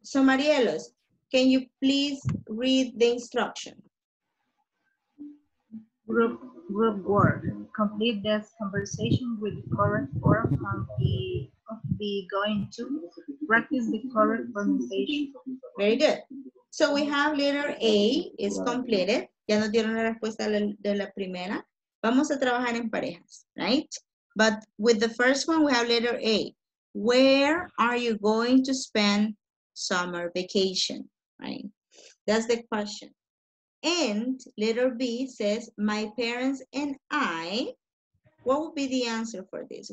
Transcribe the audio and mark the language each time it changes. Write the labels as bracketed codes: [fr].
[en] So, Marielos, can you please read the instruction? Group work. Complete this conversation with the correct form on the going to practice the correct pronunciation. Very good. So we have letter A is completed. [es] Ya nos dieron la respuesta de la primera. Vamos a trabajar en parejas, [en] right? But with the first one, we have letter A. Where are you going to spend summer vacation? Right? That's the question. And letter B says, my parents and I, what would be the answer for this?